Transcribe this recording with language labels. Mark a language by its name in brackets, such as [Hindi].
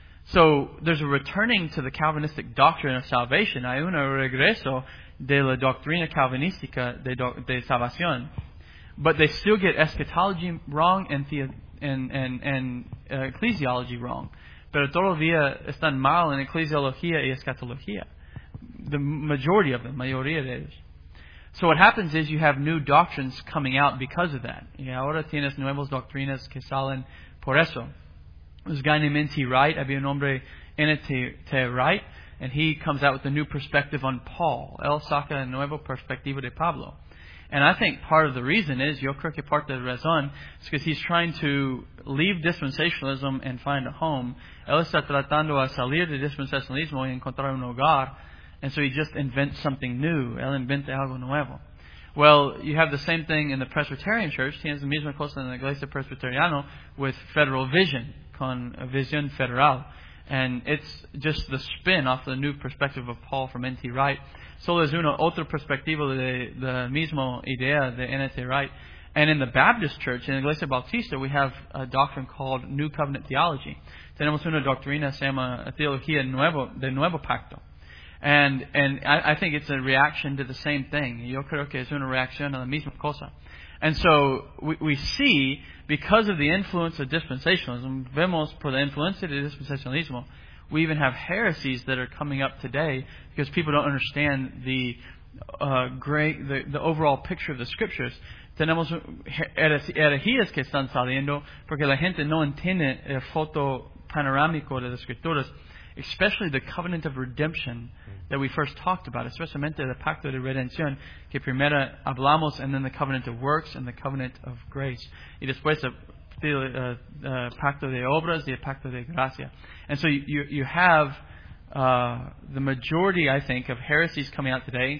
[English] So there's a returning to the Calvinistic doctrine of salvation. [Spanish] Hay un regreso de la doctrina calvinística de salvación. [English] But they still get eschatology wrong and ecclesiology wrong. [Spanish] Pero todavía están mal en eclesiología y escatología. [English] The majority of them, [Spanish] mayoría de ellos. [English] So what happens is you have new doctrines coming out because of that. [Spanish] Y ahora tienes nuevas doctrinas que salen por eso. [English] There's a guy named N.T. Wright. [Spanish] Había un hombre, N.T. Wright. [English] And he comes out with a new perspective on Paul. [Spanish] Él saca una nueva perspectiva de Pablo. [English] And I think part of the reason is, [Spanish] yo creo que parte de la razón, es [English] because he's trying to leave dispensationalism and find a home. [Spanish] Él está tratando a salir de dispensationalismo y encontrar un hogar. [English] And so he just invents something new. [Spanish] Él inventa algo nuevo. [English] Well, you have the same thing in the Presbyterian Church. [Spanish] Tienes la misma cosa en la Iglesia Presbyteriana [English] with federal vision, [Spanish] con visión federal. [English] And it's just the spin off the new perspective of Paul from N.T. Wright. [Spanish] Solo es una otra perspectiva de la misma idea de N.T. Wright. [English] And in the Baptist Church, in the Iglesia Bautista, we have a doctrine called New Covenant Theology. [Spanish] Tenemos una doctrina, se llama Teología Nuevo, de Nuevo Pacto. [English] And I think it's a reaction to the same thing. [Spanish] Yo creo que es una reacción a la misma cosa. [English] And so we see, because of the influence of dispensationalism, [Spanish] vemos por la influencia de dispensacionalismo, [English] we even have heresies that are coming up today because people don't understand the overall picture of the scriptures. [Spanish] Tenemos herejías que están saliendo porque la gente no entiende el foto panorámico de las escrituras, [English] especially the covenant of redemption that we first talked about, [Spanish] especialmente el pacto de redención que primero hablamos, [English] and then the covenant of works and the covenant of grace. [Spanish] Y después el pacto de obras y el pacto de gracia. [English] And so you have the majority, I think, of heresies coming out today.